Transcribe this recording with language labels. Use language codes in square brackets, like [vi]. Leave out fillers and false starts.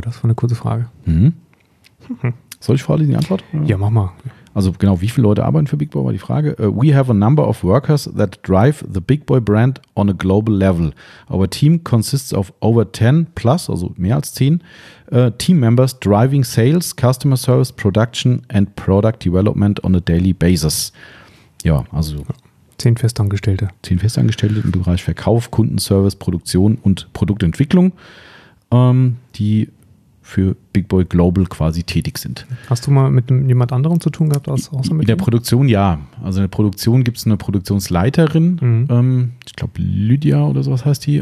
[de] Das war eine kurze Frage. Mhm. Soll ich vorlesen die Antwort? Ja, mach mal. Also genau, wie viele Leute arbeiten für Big Boy, war die Frage. [en] We have a number of workers that drive the Big Boy brand on a global level. Our team consists of over 10 plus, [de] also mehr als 10, [en] team members driving sales, customer service, production and product development on a daily basis. [de] Ja, also 10 Festangestellte. 10 Festangestellte im Bereich Verkauf, Kundenservice, Produktion und Produktentwicklung, die für Big Boy Global quasi tätig sind. Hast du mal mit jemand anderem zu tun gehabt, außer mit? In der Produktion, ja. Also in der Produktion gibt es eine Produktionsleiterin, ich glaube Lydia oder sowas heißt die.